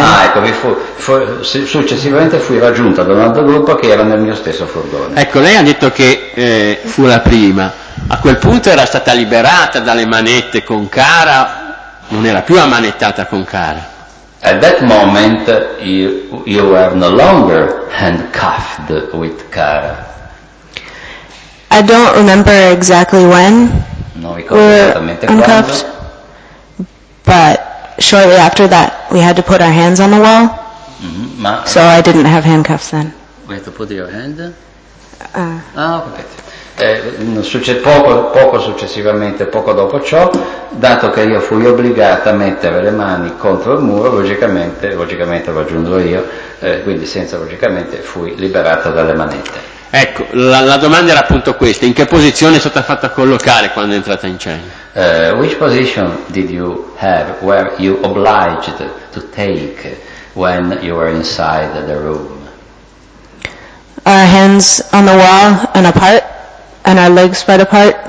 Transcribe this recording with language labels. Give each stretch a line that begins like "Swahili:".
Italian: Ah, ecco, successivamente fui raggiunta da un altro gruppo che era nel mio stesso furgone. Ecco, lei ha detto che fu la prima. A quel punto era stata liberata dalle manette con Cara. Non era più ammanettata con Cara.
English: At that moment you were no longer handcuffed with Cara. I don't remember exactly when.
Italian: Non ricordo esattamente quando.
English: But shortly after that we had to put our hands on the wall. Mm-hmm. So I didn't have handcuffs then. We had to put your hand. Okay.
Italian: Poco dopo ciò, dato che io fui obbligata a mettere le mani contro il muro, logicamente lo aggiungo io, quindi senza logicamente fui liberata dalle manette. Ecco, la domanda era appunto questa: in che posizione è stata fatta collocare quando è entrata in cella?
English: Which position did you have, were you obliged to take when you were inside the room? Our hands on the wall and apart, and our legs spread apart.